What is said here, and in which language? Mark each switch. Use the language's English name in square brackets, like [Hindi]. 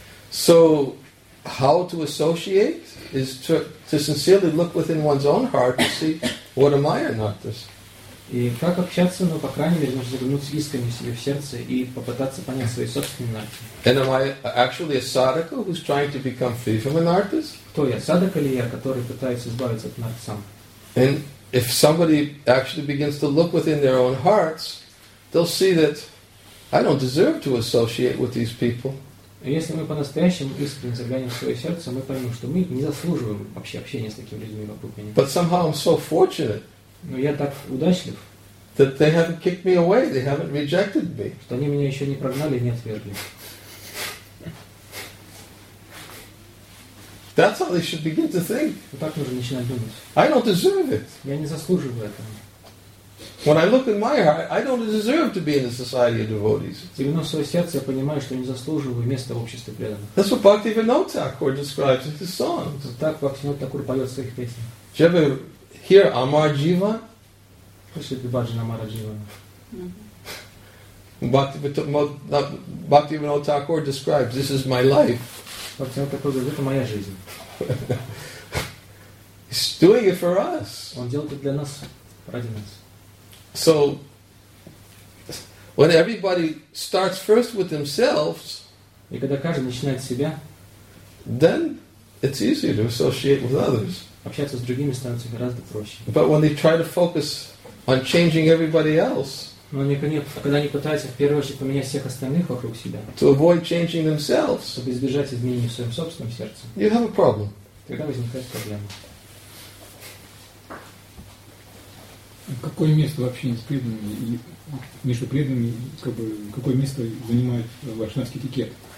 [English] So how to associate is to sincerely look within one's own heart to see what am I not this. [Russian] И как общаться, ну, по крайней мере, нужно заглянуть искренне себе в сердце и попытаться понять свои собственные нарты. [English] And am I actually a sadhaka who's trying to become free from an artist? [Russian] Кто я, садака ли я, который пытается избавиться от нарт сам? [English] And if somebody actually begins to look within their own hearts, they'll see that I don't deserve to associate with these people. [Russian] Если мы по-настоящему искренне заглянем в свое сердце, мы поймем, что мы не заслуживаем вообще общения с такими людьми вокруг меня. [English] But somehow I'm so fortunate. [Russian] Но я так удачлив. [English] That they haven't kicked me away, they haven't rejected me. [Russian] Что они меня еще не прогнали и не отвергли. [English] That's how they should begin to think. [Russian] Вот так нужно начинать думать. [English] I don't deserve it. [Russian] Я не заслуживаю этого. [English] When I look in my heart, I don't deserve to be in the society of devotees. [Russian] Именно в своем сердце я понимаю, что не заслуживаю места в обществе преданных. [English] That's what Bhaktivinoda Thakur describes in his songs. [Russian] Так Бхактивинода Такур поет в своих песнях. [English] Did you ever hear Amar Jivan? [Russian] Слышали Баджан Амара Дживана? [English] Bhaktivinoda Thakur describes, this is my life. [Russian] Бхактивинода Такур говорит, это моя жизнь. [English] He's doing it for us. [Russian] Он делает это для нас, ради нас. [English] So, when everybody starts first with themselves, [Russian] и когда каждый начинает с себя, [English] then it's easier to associate with others. [Russian] Общаться с другими становится гораздо проще. [English] But when they try to focus on changing everybody else, [Russian] но когда они пытаются в первую очередь поменять всех остальных вокруг себя, [English] to avoid changing themselves, [Russian] чтобы избежать изменений в своем собственном сердце, [English] you have a problem. [Russian] Тогда возникает проблема. Какое место в общении с преданными и между преданными, как бы, какое место занимает вайшнавский этикет?